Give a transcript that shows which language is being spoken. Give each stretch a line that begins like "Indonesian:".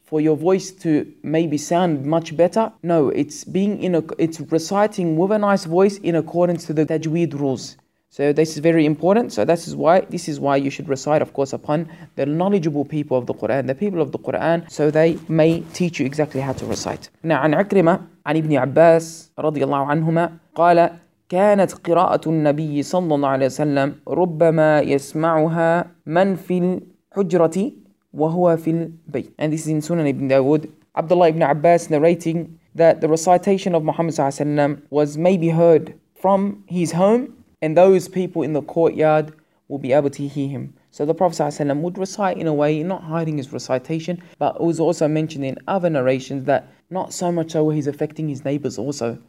English: for your voice to maybe sound much better. No, it's being in a, it's reciting with a nice voice in accordance to the tajweed rules. So this is very important. So this is why you should recite, of course, upon the knowledgeable people of the Quran, the people of the Quran, so they may teach you exactly how to recite.
Arabic: Now, عن عكرمة عن ابن عباس رضي الله عنهما قال كانت قراءة النبي صلى الله عليه وسلم ربما يسمعها من في الحجرة وهو في البيت.
English: And this is in Sunan Ibn Dawood. Abdullah Ibn Abbas narrating that the recitation of Muhammad
Arabic: صلى الله عليه وسلم
English: was maybe heard from his home, and those people in the courtyard will be able to hear him. So the Prophet ﷺ would recite in a way, not hiding his recitation, but it was also mentioned in other narrations that not so much so he's affecting his neighbors also.